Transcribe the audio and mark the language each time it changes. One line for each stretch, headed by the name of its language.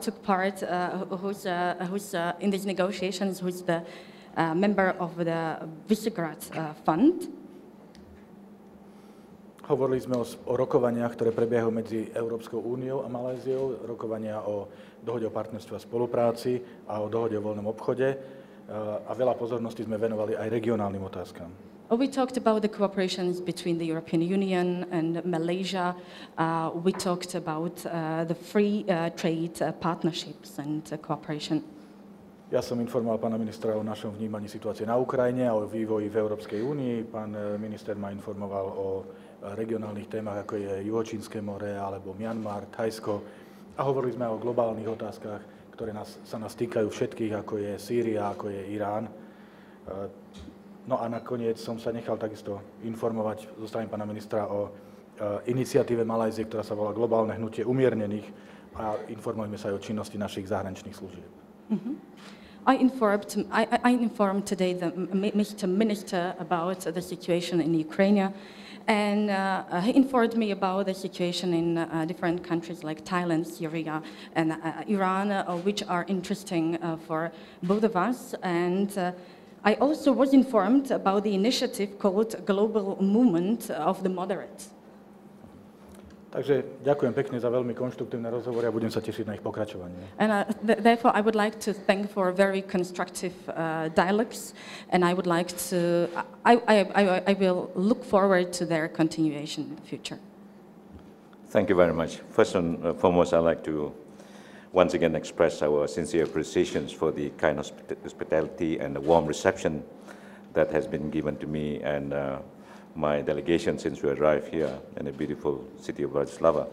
English: took part, who's in these negotiations, who's the member of the Visegrad fund.
Slovak: Hovorili sme o rokovaniach, ktoré prebiehajú medzi Európskou úniou a Malajziou, rokovania o dohode o partnerstve a spolupráci a o dohode o voľnom obchode. A veľa pozornosti sme venovali aj regionálnym otázkam.
English: We talked about the cooperation between the European Union and Malaysia. We talked about the free trade partnerships and cooperation.
Slovak: Ja som informoval pána ministra o našom vnímaní situácie na Ukrajine a o vývoji v Európskej únii. Pán minister ma informoval o regionálnych témach, ako je Juhočínske more, alebo Myanmar, Thajsko. A hovorili sme aj o globálnych otázkach, ktoré sa nás týkajú všetkých, ako je Sýria, ako je Irán. No a nakoniec som sa nechal takisto informovať zo strany pána ministra o iniciatíve Malajzie, ktorá sa volá Globálne hnutie umiernených, a informujeme sa aj o činnosti našich zahraničných služieb. Mm-hmm.
English: I informed today the minister about the situation in Ukraine, and he informed me about the situation in different countries like Thailand, Syria and Iran, which are interesting for both of us. And I also was informed about the initiative called Global Movement of the Moderates.
Slovak: Takže ďakujem pekne za veľmi konštruktívne rozhovory a budem sa tešiť na ich pokračovanie.
English: And therefore I would like to thank for very constructive dialogues, and I would like to I will look forward to their continuation in the future. Thank you very much. First and foremost, I'd like to once again express our sincere appreciations for the kind hospitality and the warm reception that has been given to me and my delegation since we arrived here in the beautiful city of Bratislava.